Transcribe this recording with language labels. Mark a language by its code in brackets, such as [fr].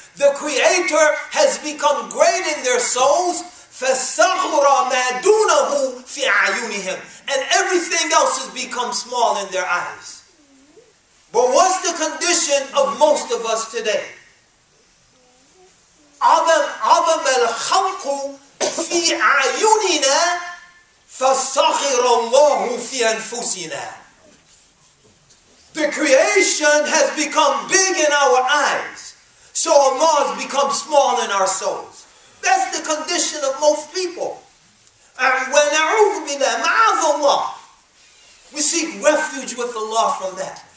[en] The Creator has become great in their souls. [ar] فصغر ما دونه في عيونهم. [en] And everything else has become small in their eyes. But what's the condition of most of us today? [ar] عظم الخلق في عيوننا فصغر الله في أنفسنا. [en] The creation has become big in our eyes, so Allah has become small in our souls. That's the condition of most people. And when na'udhu billah, ma'adhu Allah, we seek refuge with Allah from that.